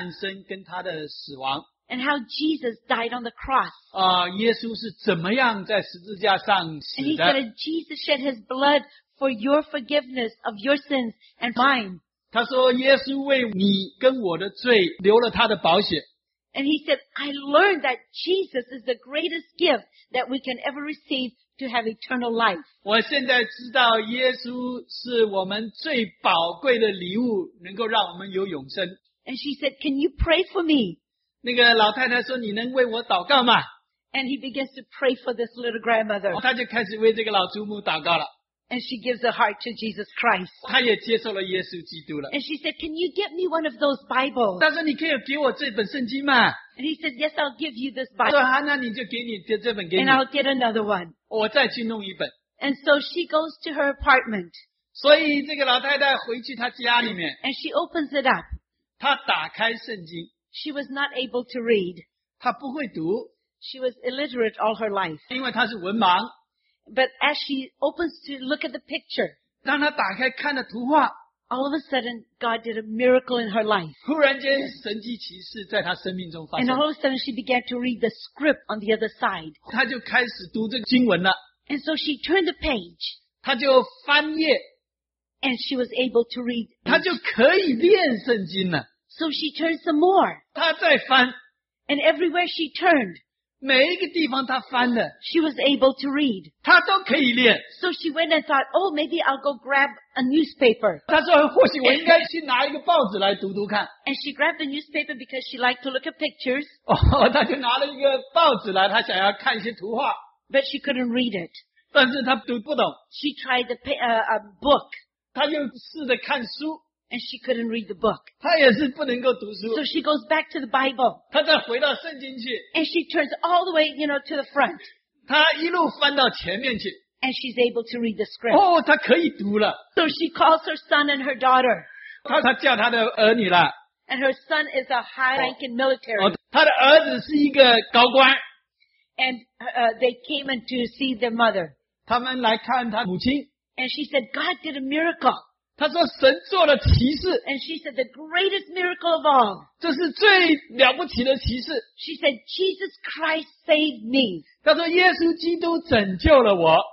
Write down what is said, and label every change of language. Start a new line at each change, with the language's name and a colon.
Chinese: 这个孩子就跟他分享基督的诞生跟他的死亡。
English: And how Jesus died on the cross.
Chinese: 耶稣是怎么样在十字架上死的。
English: And he said, and Jesus shed his blood for your forgiveness of your sins and mine.
Chinese: 他说耶稣为你跟我的罪留了他的保险。
English: And he said, I learned that Jesus is the greatest gift that we can ever receive to have eternal life.
Chinese: 我现在知道耶稣是我们最宝贵的礼物,能够让我们有永生。
English: And she said, can you pray for me?
Chinese: 那个老太太说,你能为我祷告吗?
English: And he begins to pray for this little grandmother.
Chinese: 他就开始为这个老祖母祷告了。
English: And she gives her heart to Jesus Christ.
Chinese: 她也接受了耶稣基督了。
English: And she said, can you get me one of those Bibles?
Chinese: 她说你可以给我这本圣经吗?
English: And he said, yes, I'll give you this Bible.
Chinese: 她说,那你就给你,这本给你。
English: And I'll get another one.
Chinese: 我再去弄一本。
English: And so she goes to her apartment.
Chinese: 所以这个老太太回去她家里面。
English: And she opens it up.
Chinese: 她打开圣经。
English: She was not able to read.
Chinese: 她不会读。
English: She was illiterate all her life.
Chinese: 因为她是文盲。
English: But as she opens to look at the picture,
Chinese: 当她打开看的图画,
English: all of a sudden, God did a miracle in her life.
Chinese: 忽然间神迹奇事在她生命中发生。
English: And all of a sudden, she began to read the script on the other side.
Chinese: 她就开始读这个经文了。
English: And so she turned the page.
Chinese: 她就翻页。
English: And she was able to read.
Chinese: 她就可以念圣经了。
English: So she turned some more.
Chinese: 她再翻。
English: And everywhere she turned,
Chinese: 每一个地方她翻的,
English: she was able to read.
Chinese: 她都可以练。
English: So she went and thought, oh, maybe I'll go grab a newspaper.
Chinese: 她说,或许我应该去拿一个报纸来读读看。
English: And she grabbed the newspaper because she liked to look at pictures.
Chinese: 她就拿了一个报纸来,她想要看一些图画。
English: But she couldn't read it.
Chinese: 但是她读不懂。
English: She tried to pick a book.
Chinese: 她就试着看书。
English: And she couldn't read the book.
Chinese: 她也是不能够读书。
English: So she goes back to the Bible.
Chinese: 她再回到圣经去。
English: And she turns all the way, you know, to the front.
Chinese: 她一路翻到前面去。
English: And she's able to read the script.
Chinese: 哦,她可以读了。
English: So she calls her son and her daughter.
Chinese: 她叫她的儿女了。
English: And her son is a high-ranking military.
Chinese: 她的儿子是一个高官。
English: And they came in to see their mother.
Chinese: 他们来看她母亲。
English: And she said, God did a miracle.
Chinese: 她说神做了奇事,
English: and she said, the greatest miracle of all.
Chinese: 这是最了不起的奇事,
English: she said, Jesus Christ saved me.
Chinese: 她说耶稣基督拯救了我,